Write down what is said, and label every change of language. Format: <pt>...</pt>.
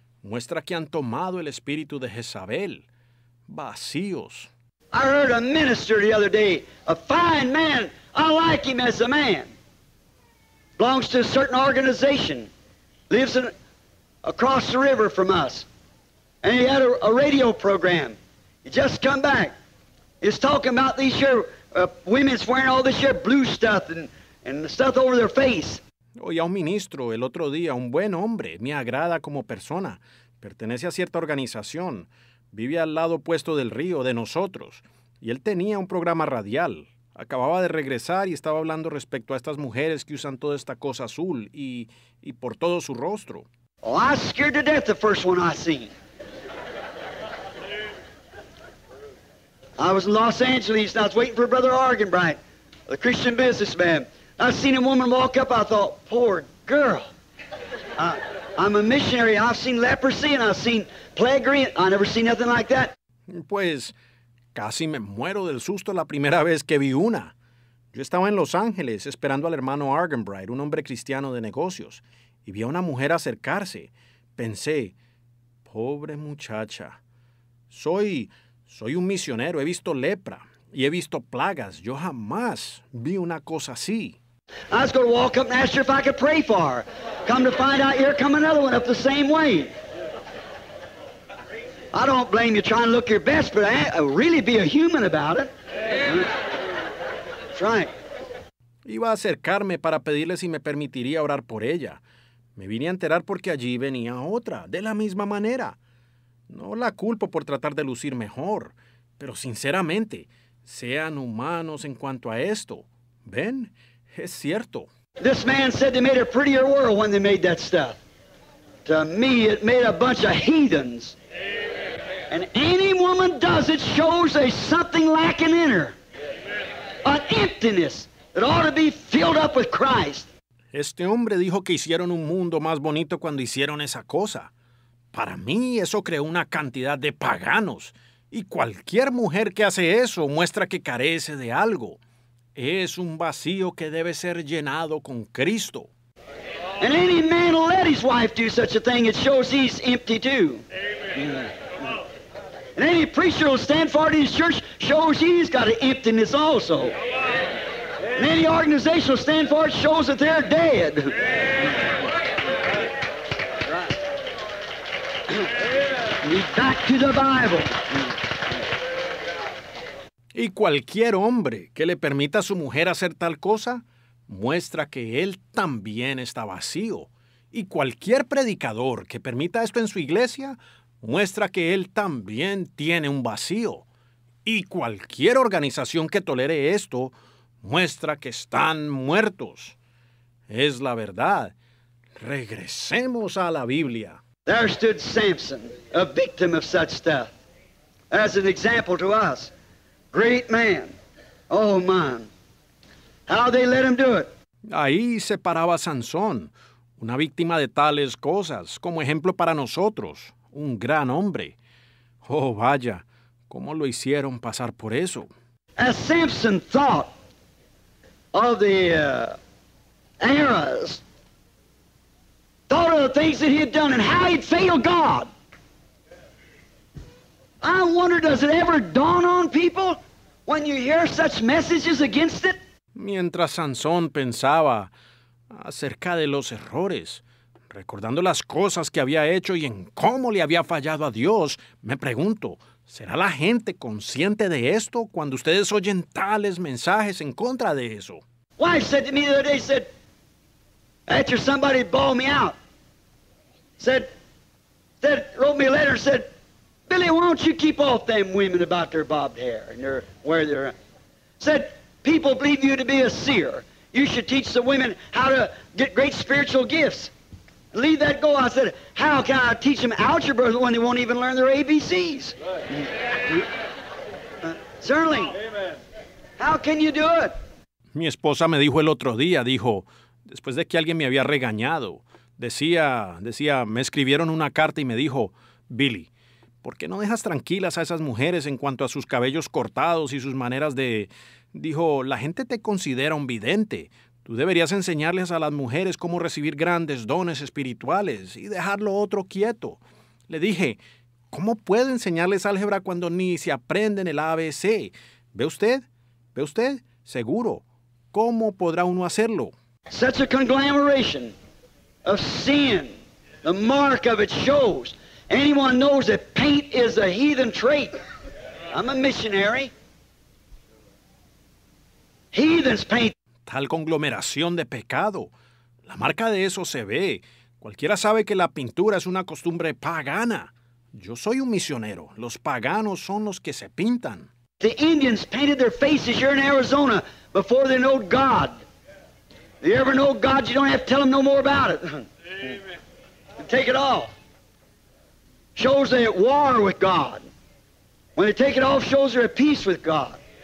<es>Muestra que han tomado el espíritu de Jezabel. Vacíos.</es> <en>I heard a minister the other day, a fine man. I like him as a man. Belongs to a certain organization. Lives in, across the river from us. And he had a radio program. He just come back. He's talking about these here women's wearing all this here blue stuff and the stuff over their face.</en> <es>Oye, un ministro el otro día, un buen hombre, me agrada como persona. Pertenece a cierta organización. Vive al lado opuesto del río, de nosotros. Y él tenía un programa radial. Acababa de regresar y estaba hablando respecto a estas mujeres que usan toda esta cosa azul y por todo su rostro.</es> <en>Oh, I scared to death the first one I seen. I was in Los Angeles and I was waiting for Brother Argenbright, the Christian businessman. I seen a woman walk up, I thought, poor girl. I'm a missionary, I've seen leprosy and I've seen plague, I never seen nothing like that.</en> <es>Pues, casi me muero del susto la primera vez que vi una. Yo estaba en Los Ángeles esperando al hermano Argenbright, un hombre cristiano de negocios, y vi a una mujer acercarse. Pensé, pobre muchacha, soy un misionero, he visto lepra y he visto plagas. Yo jamás vi una cosa así.</es> <en>I was going to walk up and ask her if I could pray for her. Come to find out, here come another one up the same way. I don't blame you trying to look your best, but really be a human about it. That's right.</en> <es>Iba a acercarme para pedirle si me permitiría orar por ella. Me vine a enterar porque allí venía otra, de la misma manera. No la culpo por tratar de lucir mejor, pero sinceramente, sean humanos en cuanto a esto. ¿Ven? Es cierto.</es> <en>This man said they made a prettier world when they made that stuff. To me, it made a bunch of heathens. And any woman does it shows there's something lacking in her. An emptiness that ought to be filled up with Christ.</en> <es>Este hombre dijo que hicieron un mundo más bonito cuando hicieron esa cosa. Para mí, eso creó una cantidad de paganos. Y cualquier mujer que hace eso muestra que carece de algo. Es un vacío que debe ser llenado con Cristo.</es> <en>And any man will let his wife do such a thing, it shows he's empty too. Amen. And any preacher will stand for it in his church, shows he's got an emptiness also. Amen. And any organization will stand for it, shows that they're dead. Amen. Right. Back to the Bible.</en> <es>Y cualquier hombre que le permita a su mujer hacer tal cosa, muestra que él también está vacío. Y cualquier predicador que permita esto en su iglesia, muestra que él también tiene un vacío. Y cualquier organización que tolere esto, muestra que están muertos. Es la verdad. Regresemos a la Biblia.</es> <en>There stood Samson, a victim of such stuff, as an example to us. Great man. Oh, man. How they let him do it.</en> <es>Ahí se paraba Sansón, una víctima de tales cosas, como ejemplo para nosotros, un gran hombre. Oh, vaya, cómo lo hicieron pasar por eso.</es> <en>As Samson thought of the arrows, thought of the things that he had done and how he'd failed God. I wonder, does it ever dawn on people? When you hear such messages against it?</en> <es>Mientras Sansón pensaba acerca de los errores, recordando las cosas que había hecho y en cómo le había fallado a Dios, me pregunto, ¿será la gente consciente de esto cuando ustedes oyen tales mensajes en contra de eso?</es> <en>Wife said to me the other day, said, after somebody bawled me out, said, wrote me a letter, said, Billy, why don't you keep off them women about their bobbed hair and their where they're said, people believe you to be a seer. You should teach the women how to get great spiritual gifts. Leave that go. I said, how can I teach them algebra when they won't even learn their ABCs? Right. Certainly. Amen. How can you do it?</en> <es>Mi esposa me dijo el otro día, dijo, después de que alguien me había regañado, decía, me escribieron una carta y me dijo, Billy, ¿Por qué no dejas tranquilas a esas mujeres en cuanto a sus cabellos cortados y sus maneras de...? Dijo, la gente te considera un vidente. Tú deberías enseñarles a las mujeres cómo recibir grandes dones espirituales y dejar lo otro quieto. Le dije, ¿cómo puedo enseñarles álgebra cuando ni se aprenden el ABC? ¿Ve usted? ¿Ve usted? Seguro. ¿Cómo podrá uno hacerlo?</es> <en>Such a conglomeration of sin, the mark of it shows. Anyone knows that paint is a heathen trait. I'm a missionary. Heathens paint.</en> <es>Tal conglomeración de pecado. La marca de eso se ve. Cualquiera sabe que la pintura es una costumbre pagana. Yo soy un misionero. Los paganos son los que se pintan.</es> <en>The Indians painted their faces here in Arizona before they knew God. If you ever know God, you don't have to tell them no more about it. Amen. Take it off. Shows they're at war with God. When they take it off, shows they're at peace with God.</en>